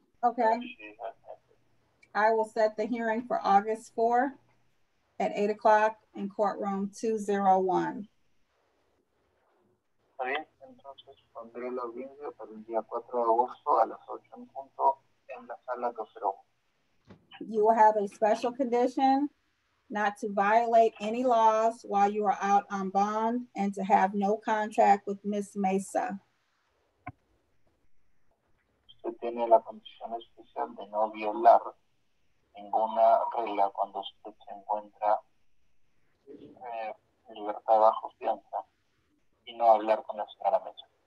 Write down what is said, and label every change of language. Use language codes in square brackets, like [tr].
[en] Okay. I will set the hearing for August 4 at 8 o'clock in courtroom 201. [es] Está bien, entonces pondré la audiencia para el día 4 de agosto a las 8 en punto en la sala 201. [en] You will have a special condition not to violate any laws while you are out on bond and to have no contact with Ms. Meza. [es] Usted tiene la condición especial de no violar ninguna regla cuando usted se encuentra libertad bajo fianza y no hablar con la señora Mesa.